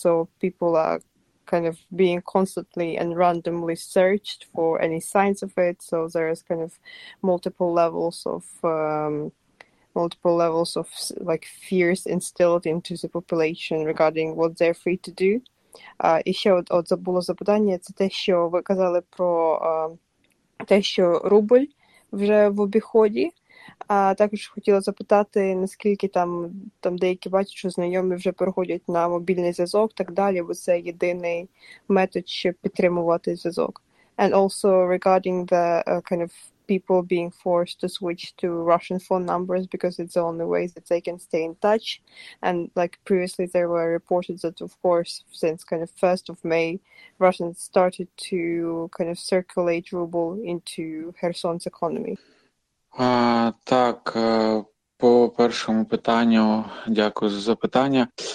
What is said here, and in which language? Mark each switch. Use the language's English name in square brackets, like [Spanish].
[English] So people are kind of being constantly and randomly searched for any signs of it. So there is kind of multiple levels of like fears instilled into the population regarding what they're free to do. [Ukrainian] І ще от забуло запитання, це те, що ви казали про те, що рубль вже в обіході. А також хотіла запитати, наскільки там деякі бачать, що знайомі вже переходять на мобільний зв'язок, так далі, бо це єдиний метод, щоб підтримувати зв'язок. [English] And also regarding the kind of people being forced to switch to Russian phone numbers because it's the only way that they can stay in touch. And like previously there were reported that, of course, since kind of 1st of May, Russians started to kind of circulate ruble into Kherson's economy. [Ukrainian] Так, по першому питанню, дякую за запитання.